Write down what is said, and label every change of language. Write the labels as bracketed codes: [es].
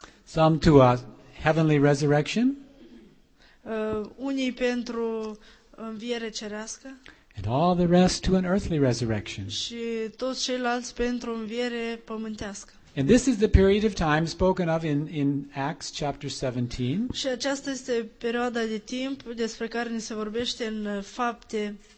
[en] Some to a heavenly resurrection, [ro] unii pentru înviere cerească. [en] And all the rest to an earthly resurrection. [ro] Și toți ceilalți pentru înviere pământească. [en] And this is the period of time spoken of in Acts chapter 17. [ro] Și aceasta este perioada de timp despre care ni se vorbește în Fapte